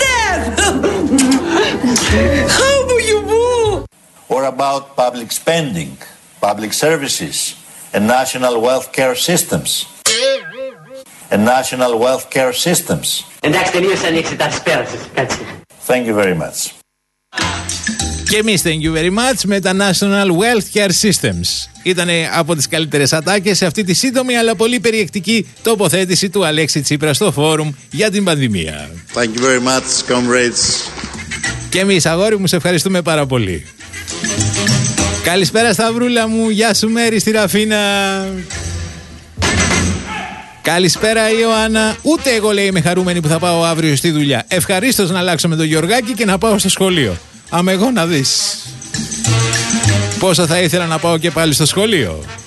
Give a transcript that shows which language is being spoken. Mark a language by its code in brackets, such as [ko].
[en] How do you move? Or about public spending, public services and national wealth care systems. And national wealth care systems. Thank you very much. [el] Και εμείς [en] thank you very much [el] με τα National Wealth Care Systems. Ήτανε από τις καλύτερες ατάκες σε αυτή τη σύντομη αλλά πολύ περιεκτική τοποθέτηση του Αλέξη Τσίπρα στο φόρουμ για την πανδημία. [en] Thank you very much, comrades. [el] Και εμείς αγόρι μου, σε ευχαριστούμε πάρα πολύ. Καλησπέρα Σταυρούλα μου, γεια σου Μέρη στη Ραφίνα. Καλησπέρα Ιωάννα, ούτε εγώ λέει είμαι χαρούμενη που θα πάω αύριο στη δουλειά. Ευχαρίστως να αλλάξω με τον Γιωργάκη και να πάω στο σχολείο. Άμα εγώ να δεις πόσο θα ήθελα να πάω και πάλι στο σχολείο.